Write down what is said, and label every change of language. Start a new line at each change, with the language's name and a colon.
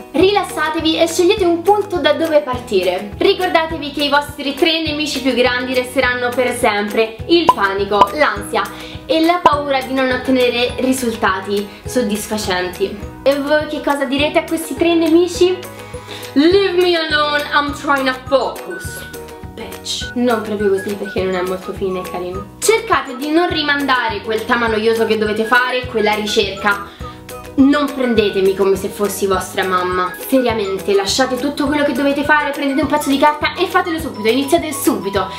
Italian: Rilassatevi e scegliete un punto da dove partire. Ricordatevi che i vostri tre nemici più grandi resteranno per sempre il panico, l'ansia e la paura di non ottenere risultati soddisfacenti. E voi che cosa direte a questi tre nemici?
English: Leave me alone, I'm trying to focus, bitch.
Italian: Non proprio così, perché non è molto fine, carino. Cercate di non rimandare quel tema noioso che dovete fare, quella ricerca, non prendetemi come se fossi vostra mamma. Seriamente, lasciate tutto quello che dovete fare, prendete un pezzo di carta e fatelo subito, iniziate subito.